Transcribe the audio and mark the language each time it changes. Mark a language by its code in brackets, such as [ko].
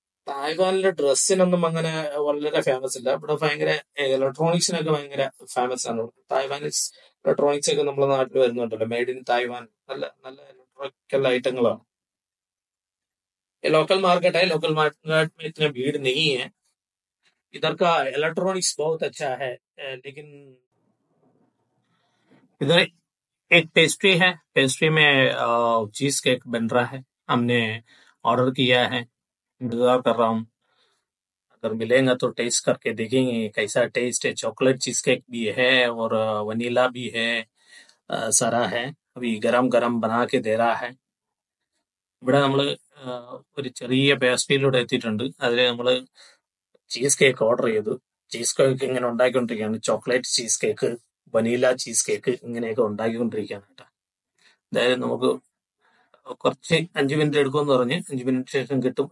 [ml] തായ്വാനിലെ ഡ്രസ്സിനൊന്നും അങ്ങനെ വളരെ ഫേമസ് ഇല്ല. ഇവിടെ ഭയങ്കര ഇലക്ട്രോണിക്സിനൊക്കെ ഭയങ്കര ഫേമസ് ആണ്. തായ്വാനിസ് ഇലക്ട്രോണിക്സ് ഒക്കെ നമ്മളെ നാട്ടിൽ വരുന്നുണ്ടല്ലോ. മെയ്ഡ് ഇൻ തായ്വാൻ, നല്ല നല്ല ഇലക്ട്രോണിക്കൽ ഐറ്റങ്ങളാണ്. [hi] लोकल मार्केट है, लोकल मार्केट में इतने भीड़ नहीं है. इधर का इलेक्ट्रॉनिक्स बहुत अच्छा है. लेकिन इधर एक पेस्ट्री है, पेस्ट्री में चीज केक बन रहा है. हमने ऑर्डर किया है, इंतजार कर रहा हूँ. अगर मिलेंगे तो टेस्ट करके देखेंगे कैसा टेस्ट है. चॉकलेट चीज केक भी है और वनीला भी है. सारा है, अभी गरम गरम बना के दे रहा है. [ml] ഇവിടെ നമ്മള് ഒരു ചെറിയ പേസ്ട്രിയിലൂടെ എത്തിയിട്ടുണ്ട്. അതില് നമ്മള് ചീസ് കേക്ക് ഓർഡർ ചെയ്തു. ചീസ് കേക്ക് ഇങ്ങനെ ഉണ്ടാക്കിക്കൊണ്ടിരിക്കുകയാണ്. Chocolate cheese cake, വനീല cheese cake ഇങ്ങനെയൊക്കെ ഉണ്ടാക്കിക്കൊണ്ടിരിക്കുകയാണ് കേട്ടോ. എന്തായാലും നമുക്ക് കുറച്ച് 5 മിനിറ്റ് എടുക്കുമെന്ന് പറഞ്ഞ്, 5 മിനിറ്റ് ശേഷം കിട്ടും.